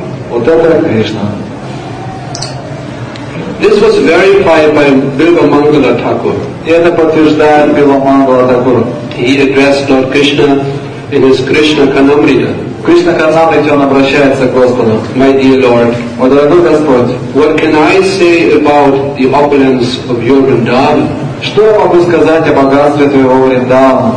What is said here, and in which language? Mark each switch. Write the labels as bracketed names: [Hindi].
[Russian] Вот это Кришна. [English] This was verified by Bilva Mangala Thakur. [Russian] И это подтверждает Бхилва Мангала Такур. [English] He addressed Lord Krishna in his Krishna Kanamrita. [Russian] Кришна Канамрите он обращается к Господу. [English] My dear Lord, [Russian] мой дорогой Господь, [English] what can I say about the opulence of your Vrindavan? [Russian] Что я могу сказать о богатстве твоего Вриндавана?